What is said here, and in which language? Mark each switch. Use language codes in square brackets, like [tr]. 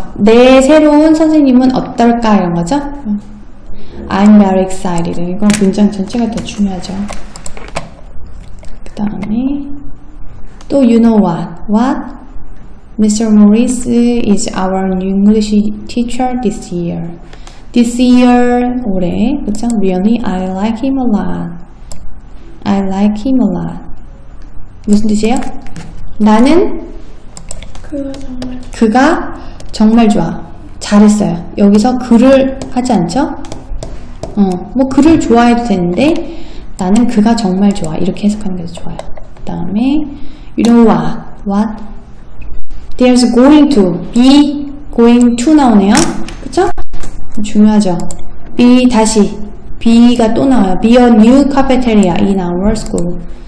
[ko] 내 새로운 선생님은 어떨까 이런 거죠? [en] I'm very excited. [ko] 이거 문장 전체가 더 중요하죠. 그 다음에 또 [en] you know what? What? Mr. Morris is our new English teacher this year. This year, [ko] 올해, 그쵸? [en] Really, I like him a lot. I like him a lot. [ko] 무슨 뜻이에요? 나는? 그가 정말 좋아. 잘했어요. 여기서 그를 하지 않죠? 뭐 그를 좋아해도 되는데 나는 그가 정말 좋아. 이렇게 해석하는 게 좋아요. 그 다음에 [en] you know what? What? There's going to be going to [ko] 나오네요. 그쵸? 중요하죠. Be 다시 be가 또 나와요. [en] Be a new cafeteria in our school.